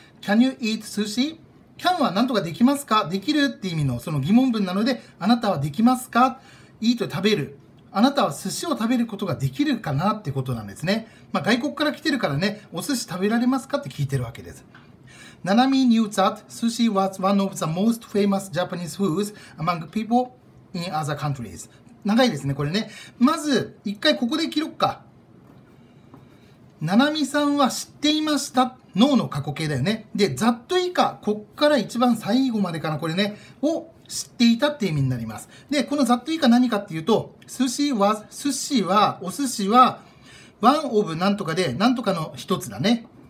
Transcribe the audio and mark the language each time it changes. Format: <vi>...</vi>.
<en>Can you eat sushi?</en> <ja>Can はなんとかできますか?できるって意味のその疑問文なので、あなたはできますか? Eat 食べる。あなたは寿司を食べることができるかなってことなんですね。まあ、外国から来てるからね、お寿司食べられますかって聞いてるわけです。</ja> <en>ななみ knew that sushi was one of the most famous Japanese foods among people in other countries.</en> <ja>長いですね、これね。まず、一回ここで切ろっか。ななみさんは知っていました。脳の過去形だよね。で、ざっと以下、こっから一番最後までかな、これね、を知っていたって意味になります。で、このざっと以下何かっていうと、寿司は、お寿司は、one of なんとかで、なんとかの一つだね。</ja>